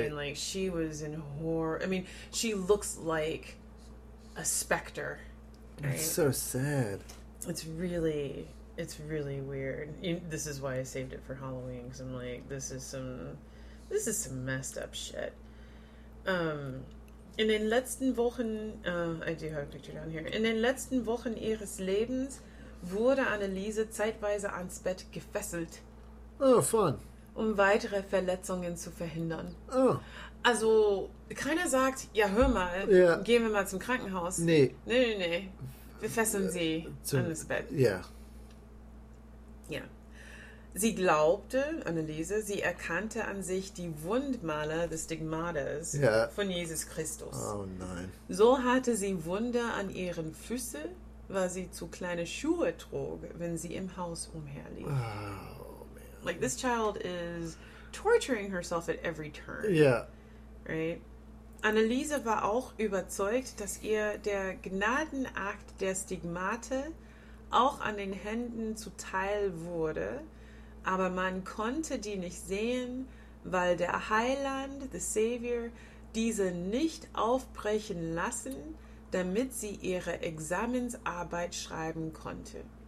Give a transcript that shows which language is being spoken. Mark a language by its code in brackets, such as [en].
[en] I mean, like, she was in horror. I mean, she looks like a specter. It's so sad. It's really, It's really weird. This is why I saved it for Halloween, because I'm like, this is some messed up shit. [de] In den letzten Wochen, [en] I do have a picture down here. [de] In den letzten Wochen ihres Lebens wurde Anneliese zeitweise ans Bett gefesselt. [en] Oh, fun. [de] Um weitere Verletzungen zu verhindern. Oh. Also, keiner sagt, ja, hör mal, [en] yeah, [de] gehen wir mal zum Krankenhaus. Nee. Nee, nee, nee. Wir fesseln sie ans Bett. Ja. Yeah. Ja. Sie glaubte, Anneliese, sie erkannte an sich die Wundmale des Stigmates, [en] yeah, [de] von Jesus Christus. Oh nein. So hatte sie Wunde an ihren Füßen, weil sie zu kleine Schuhe trug, wenn sie im Haus umherlief. [en] Oh, man. Like, this child is torturing herself at every turn. Yeah. Right? [de] Anneliese war auch überzeugt, dass ihr der Gnadenakt der Stigmate auch an den Händen zuteil wurde, aber man konnte die nicht sehen, weil der Heiland, [en] the Savior, [de] diese nicht aufbrechen lassen, damit sie ihre Examensarbeit schreiben konnte.